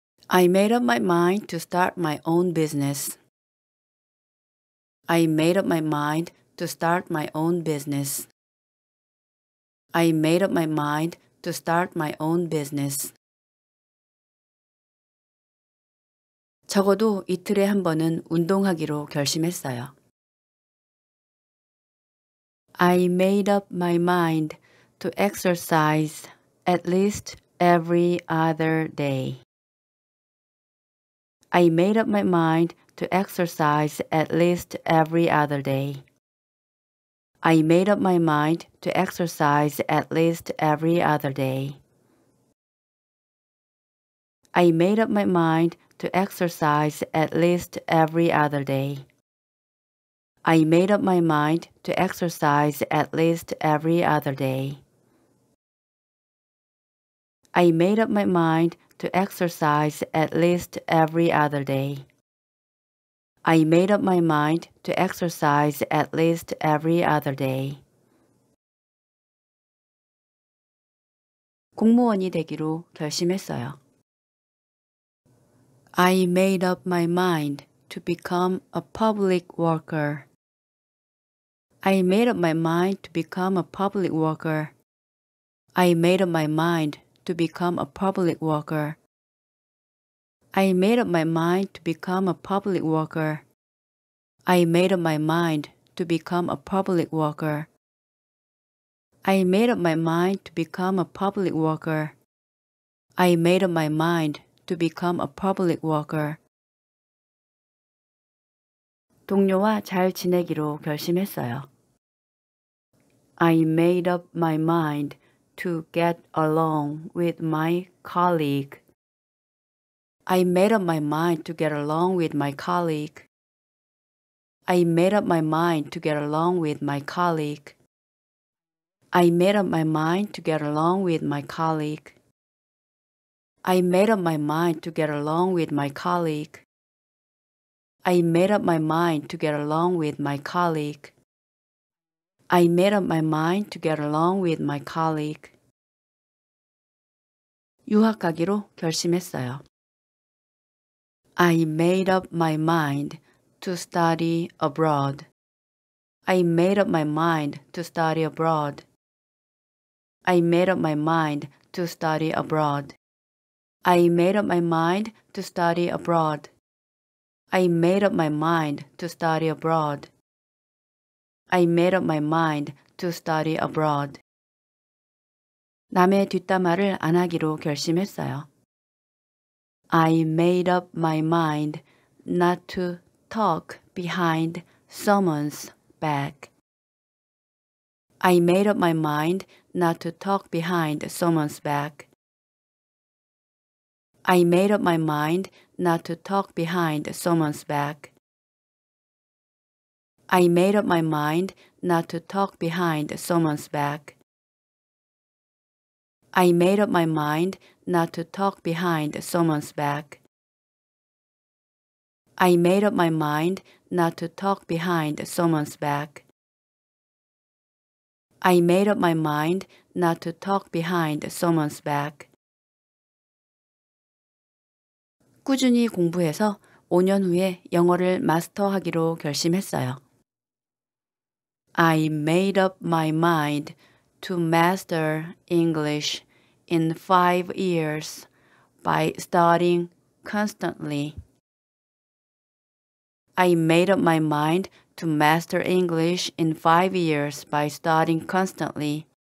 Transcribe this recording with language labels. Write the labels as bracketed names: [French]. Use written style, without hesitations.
[English] I made up my mind to start my own business. I made up my mind to start my own business. I made up my mind to start my own business. [Korean] 적어도 이틀에 한 번은 운동하기로 결심했어요. [English] I made up my mind to exercise at least every other day. I made up my mind to exercise at least every other day. I made up my mind to exercise at least every other day. I made up my mind to exercise at least every other day. I made up my mind to exercise at least every other day. I made up my mind to exercise at least every other day. I made up my mind to exercise at least every other day. [Korean] 공무원이 되기로 결심했어요. [English] I made up my mind to become a public worker. I made up my mind to become a public worker. I made up my mind to become a public worker. I made up my mind to become a public worker. I made up my mind to become a public worker. I made up my mind to become a public worker. I made up my mind to become a public worker. [Korean] 동료와 잘 지내기로 결심했어요. [English] I made up my mind to get along with my colleague. I made up my mind to get along with my colleague. I made up my mind to get along with my colleague. I made up my mind to get along with my colleague. I made up my mind to get along with my colleague. I made up my mind to get along with my colleague. I made up my mind to get along with my colleague. [Korean] 유학 가기로 결심했어요. [English] I made up my mind to study abroad. I made up my mind to study abroad. I made up my mind to study abroad. I made up my mind to study abroad. I made up my mind to study abroad. I made up my mind to study abroad. [Korean] 남의 뒷담화를 안 하기로 결심했어요. [English] I made up my mind not to talk behind someone's back. I made up my mind not to talk behind someone's back. I made up my mind not to talk behind someone's back. I made up my mind not to talk behind someone's back. I made up my mind not to talk behind someone's back. I made up my mind not to talk behind someone's back. I made up my mind not to talk behind someone's back. [Korean] 꾸준히 공부해서 5년 후에 영어를 마스터하기로 결심했어요. [English] I made up my mind to master English in 5 years by studying constantly. I made up my mind to master English in 5 years by studying constantly.